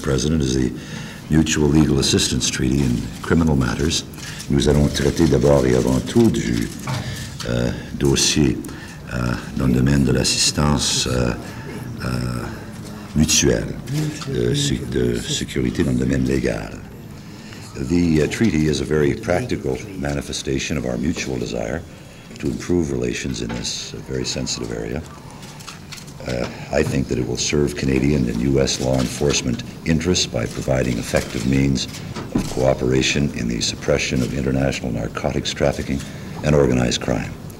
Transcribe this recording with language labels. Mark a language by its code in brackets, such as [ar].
[en] President, is the Mutual Legal Assistance Treaty in Criminal Matters. [fr] Nous allons traiter d'abord et avant tout du dossier dans le domaine de l'assistance mutuelle, de sécurité dans le domaine légal. [en] The treaty is a very practical manifestation of our mutual desire to improve relations in this very sensitive area. I think that it will serve Canadian and U.S. law enforcement interests by providing effective means of cooperation in the suppression of international narcotics trafficking and organized crime.